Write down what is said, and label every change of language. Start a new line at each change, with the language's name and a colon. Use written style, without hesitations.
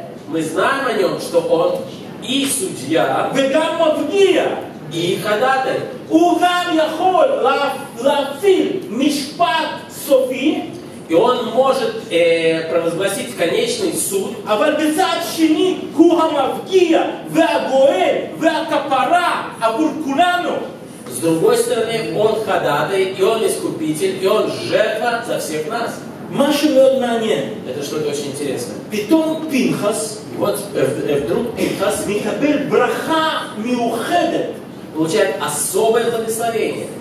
Russian: Мы знаем о нем, что он и судья,
Hebrew: וגם מפגיע,
Russian: и ходатай.
Hebrew: הוא גם יכול להפעיל משפט סופי,
Russian: и он может провозгласить конечный суд.
Hebrew: אבל בצד שני הוא המפגיע והגואל והכפרה עבור כולנו.
Russian: С другой стороны, он ходатай, и он искупитель, и он жертва за всех нас. Это что-то очень интересное. Потом Пинхас, вот вдруг Пинхас,
Hebrew: михабель браха миухедет,
Russian: получает особое благословение.